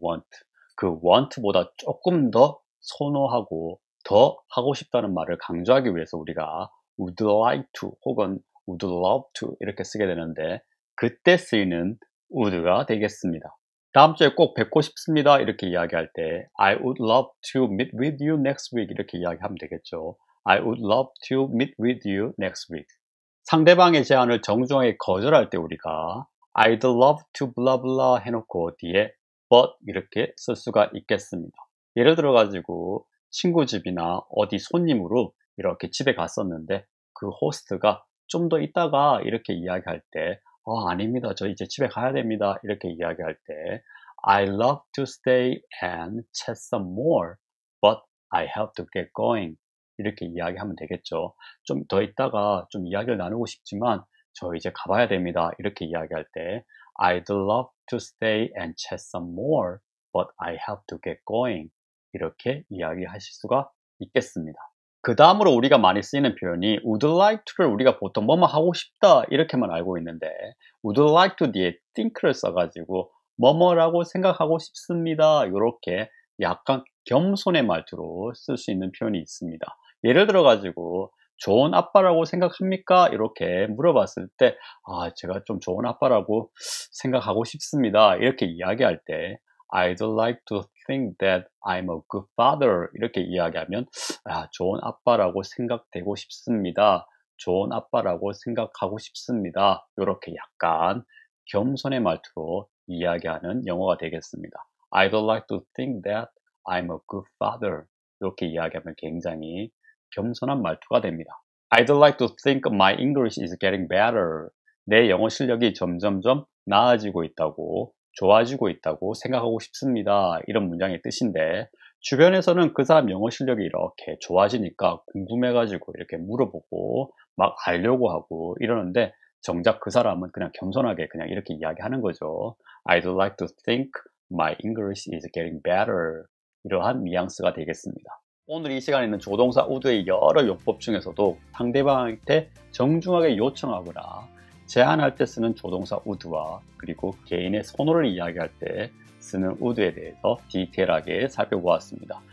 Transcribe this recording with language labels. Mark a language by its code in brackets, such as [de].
[ko] want. 그 want보다 조금 더 선호하고 더 하고 싶다는 말을 강조하기 위해서 우리가 [en] would like to [ko] 혹은 [en] would love to [ko] 이렇게 쓰게 되는데 그때 쓰이는 would가 되겠습니다. 다음 주에 꼭 뵙고 싶습니다. 이렇게 이야기할 때 [en] I would love to meet with you next week [ko] 이렇게 이야기하면 되겠죠. [en] I would love to meet with you next week. [ko] 상대방의 제안을 정중하게 거절할 때 우리가 [en] I'd love to blah blah [ko] 해놓고 뒤에 but 이렇게 쓸 수가 있겠습니다. 예를 들어가지고 친구 집이나 어디 손님으로 이렇게 집에 갔었는데 그 호스트가 좀더 있다가 이렇게 이야기할 때, 아닙니다. 저 이제 집에 가야 됩니다. 이렇게 이야기할 때, [en] I love to stay and chat some more, but I have to get going. [ko] 이렇게 이야기하면 되겠죠. 좀더 있다가 좀 이야기를 나누고 싶지만 저 이제 가봐야 됩니다. 이렇게 이야기할 때, [en] I'd love to stay and chat some more, but I have to get going. [ko] 이렇게 이야기하실 수가 있겠습니다. 그 다음으로 우리가 많이 쓰이는 표현이 would like to를 우리가 보통 뭐뭐 하고 싶다 이렇게만 알고 있는데 would like to 뒤에 think를 써가지고 뭐뭐라고 생각하고 싶습니다. 이렇게 약간 겸손의 말투로 쓸 수 있는 표현이 있습니다. 예를 들어가지고 좋은 아빠라고 생각합니까? 이렇게 물어봤을 때 제가 좀 좋은 아빠라고 생각하고 싶습니다. 이렇게 이야기할 때 [en] I'd like to think that I'm a good father. [ko] 이렇게 이야기하면, 좋은 아빠라고 생각되고 싶습니다. 좋은 아빠라고 생각하고 싶습니다. 이렇게 약간 겸손의 말투로 이야기하는 영어가 되겠습니다. [en] I'd like to think that I'm a good father. [ko] 이렇게 이야기하면 굉장히 겸손한 말투가 됩니다. [en] I'd like to think my English is getting better. [ko] 내 영어 실력이 점점점 나아지고 있다고. 좋아지고 있다고 생각하고 싶습니다. 이런 문장의 뜻인데, 주변에서는 그 사람 영어 실력이 이렇게 좋아지니까 궁금해가지고 이렇게 물어보고 막 알려고 하고 이러는데, 정작 그 사람은 그냥 겸손하게 그냥 이렇게 이야기하는 거죠. [en] I'd like to think my English is getting better. [ko] 이러한 뉘앙스가 되겠습니다. 오늘 이 시간에는 조동사 우드의 여러 용법 중에서도 상대방한테 정중하게 요청하거나 제안할 때 쓰는 조동사 우드와 그리고 개인의 선호를 이야기할 때 쓰는 우드에 대해서 디테일하게 살펴보았습니다.